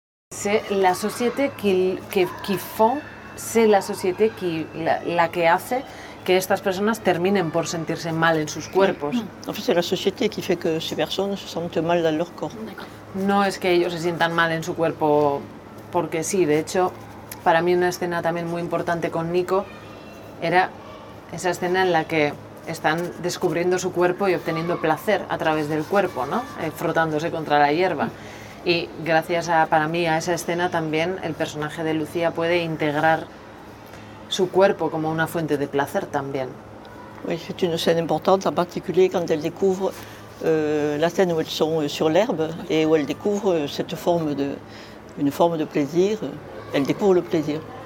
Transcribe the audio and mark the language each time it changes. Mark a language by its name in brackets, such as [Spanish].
[French] C'est la société qui font, c'est la société qui la [Spanish] que hace que estas personas terminen por sentirse mal en sus cuerpos. [French] En fait, c'est la société qui fait que ces personnes se sentent mal dans leur corps. [Spanish] No es que ellos se sientan mal en su cuerpo porque sí, de hecho, para mí una escena también muy importante con Nico era esa escena en la que están descubriendo su cuerpo y obteniendo placer a través del cuerpo, ¿no? Frotándose contra la hierba. Y gracias para mí a esa escena también el personaje de Lucía puede integrar su cuerpo como una fuente de placer también. [French] Oui, c'est une scène importante, en particulier quand elle découvre la scène où elles sont sur l'herbe et où elle découvre cette forme de une forme de plaisir, elle découvre le plaisir.